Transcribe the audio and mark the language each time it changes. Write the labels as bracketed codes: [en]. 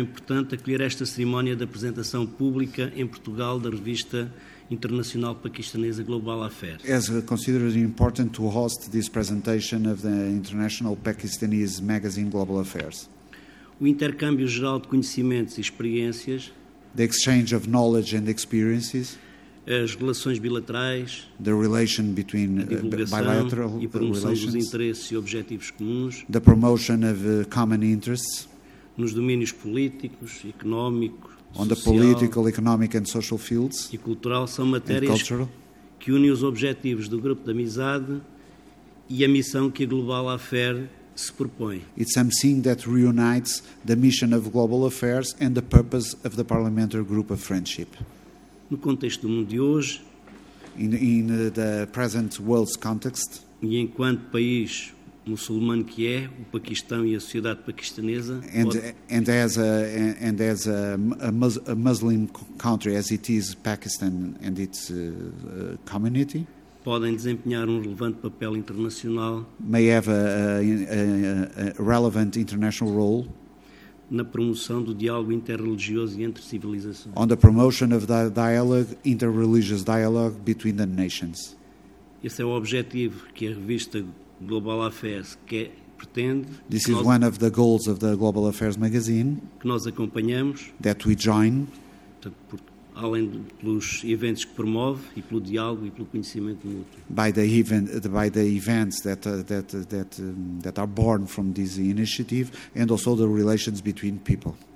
[pt] importante acolher esta cerimónia de apresentação pública em Portugal da revista internacional paquistanesa Global Affairs. [en] As considered important to host this presentation of the international Pakistanese magazine Global Affairs. [pt] O intercâmbio geral de conhecimentos e experiências. [en] The exchange of knowledge and experiences, [pt] as relações bilaterais, [en] the relation between bilateral [pt] e promoção [en] relations, [pt] dos interesses e objetivos comuns, [en] the promotion of common interests, [pt] nos domínios políticos, económico, [en] on the political, economic and social fields, [pt] e cultural são matérias [en] cultural, [pt] que unem os objetivos do Grupo de Amizade e a missão que a Global Affairs se propõe. [en] It's something that reunites the mission of Global Affairs and the purpose of the Parliamentary Group of Friendship. [pt] No contexto do mundo de hoje, [en] in the present world's context, [pt] e enquanto país muçulmano que é, o Paquistão e a sociedade paquistanesa, [en] and as a Muslim country as it is Pakistan and its community, [pt] podem desempenhar um relevante papel internacional. [en] May have a relevant international role. [pt] na promoção do diálogo interreligioso e entre civilizações. [en] On the promotion of the dialogue, interreligious dialogue between the nations. [pt] Esse é o objetivo que a revista Global Affairs quer, pretende. [en] This is one of the goals of the Global Affairs magazine. [pt] Que nós acompanhamos. [en] That we join. [pt] Além dos eventos que promove e pelo diálogo e pelo conhecimento mútuo. [en] By the events that are born from this initiative and also the relations between people.